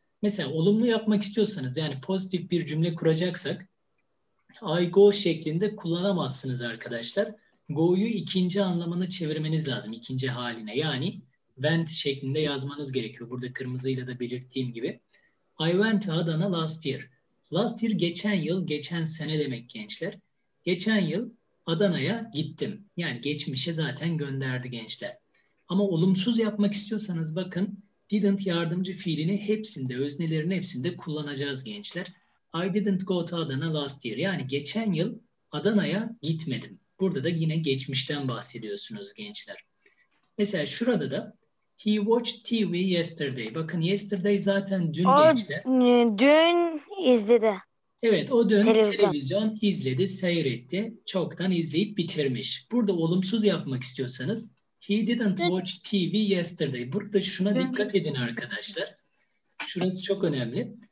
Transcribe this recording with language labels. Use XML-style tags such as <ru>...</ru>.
<tr>Mesela olumlu yapmak istiyorsanız, yani pozitif bir cümle kuracaksak,</tr> <en>I go</en> <tr>şeklinde kullanamazsınız arkadaşlar. Go'yu ikinci anlamını çevirmeniz lazım, ikinci haline. Yani went şeklinde yazmanız gerekiyor. Burada kırmızıyla da belirttiğim gibi.</tr> <en>I went to Adana last year. Last year</en> <tr>geçen yıl, geçen sene demek gençler. Geçen yıl Adana'ya gittim. Yani geçmişe zaten gönderdi gençler. Ama olumsuz yapmak istiyorsanız bakın, didn't yardımcı fiilini hepsinde, öznelerin hepsinde kullanacağız gençler.</tr> <en>I didn't go to Adana last year.</en> <tr>Yani geçen yıl Adana'ya gitmedim. Burada da yine geçmişten bahsediyorsunuz gençler. Mesela şurada da</tr> <en>he watched TV yesterday.</en> <tr>Bakın yesterday zaten dün gençler. Dün izledi. Evet, o dün televizyon izledi, seyretti. Çoktan izleyip bitirmiş. Burada olumsuz yapmak istiyorsanız</tr> <en>he didn't watch TV yesterday.</en> <tr>Burada şuna dikkat edin arkadaşlar. Şurası çok önemli.</tr>